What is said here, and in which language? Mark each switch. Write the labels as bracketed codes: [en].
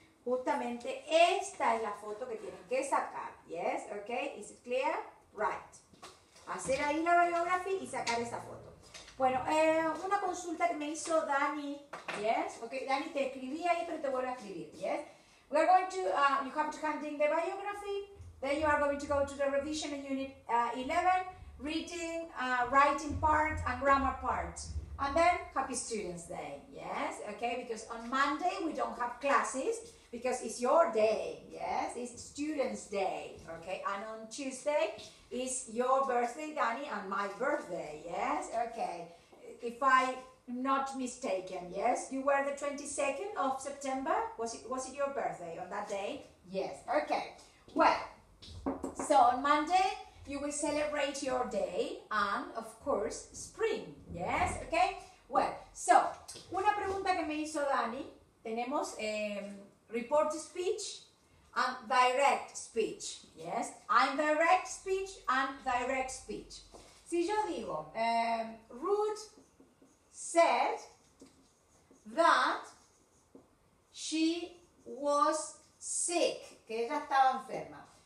[es] Justamente esta es la foto que tienen que sacar. [en] Yes, okay, is it clear? Right. [es] Hacer ahí la biografía y sacar esa foto. Bueno, una consulta que me hizo Dani. Yes, okay, Dani, te escribí ahí, pero te vuelvo a escribir. [en] Yes, we are going to, you have to hand in the biography. Then you are going to go to the revision in unit 11, reading, writing part and grammar part. And then, happy students day. Yes, okay, because on Monday we don't have classes. Because it's your day, yes? It's students' day, okay? And on Tuesday is your birthday, Danny, and my birthday, yes? Okay, if I'm not mistaken, yes? You were the 22nd of September? Was it your birthday on that day? Yes, okay. Well, so on Monday, you will celebrate your day and, of course, spring, yes? [es] Okay, well, so, una pregunta que me hizo Danny, tenemos... [en] report speech and direct speech, yes? I'm direct speech and direct speech. [es] Si yo digo, [en] Ruth said that she was sick, [es] que ella estaba enferma.